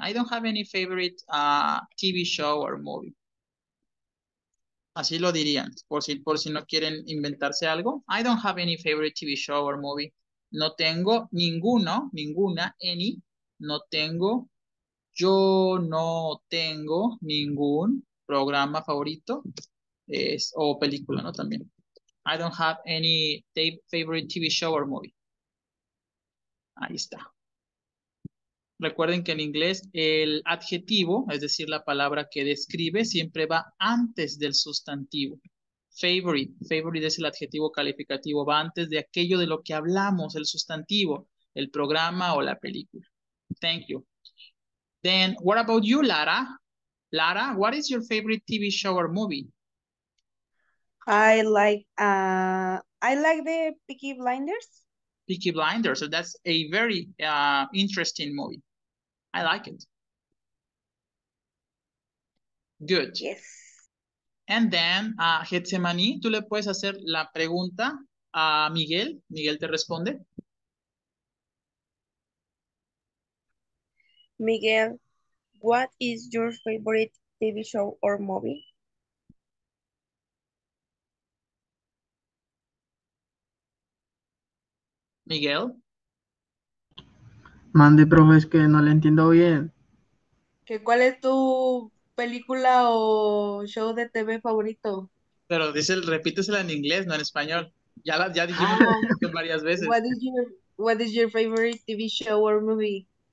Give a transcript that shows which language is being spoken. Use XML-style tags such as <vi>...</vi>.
<en>I don't have any favorite TV show or movie.</en> <es>Así lo dirían, por si no quieren inventarse algo. I don't have any favorite TV show or movie. No tengo ninguno, ninguna, any. No tengo. Yo no tengo ningún programa favorito o película, ¿no? También.</es> <en>I don't have any favorite TV show or movie.</en> <es>Ahí está. Recuerden que en inglés el adjetivo, es decir, la palabra que describe, siempre va antes del sustantivo. Favorite. Favorite es el adjetivo calificativo. Va antes de aquello de lo que hablamos, el sustantivo, el programa o la película.</es> <en>Thank you. Then, what about you, Lara? Lara, what is your favorite TV show or movie? I like the Peaky Blinders. Peaky Blinders, so that's a very interesting movie. I like it. Good. Yes. And then,</en> <es>Getsemaní, tú le puedes hacer la pregunta a Miguel. Miguel te responde.</es> <en>Miguel, what is your favorite TV show or movie? Miguel.</en> <es>Mande, profe, es que no le entiendo bien. ¿Qué cuál es tu película o show de TV favorito? Pero dice, repítesela en inglés, no en español. Ya dijimos la Oh, traducción varias veces.</es> <en>what is your favorite TV show or movie?</en>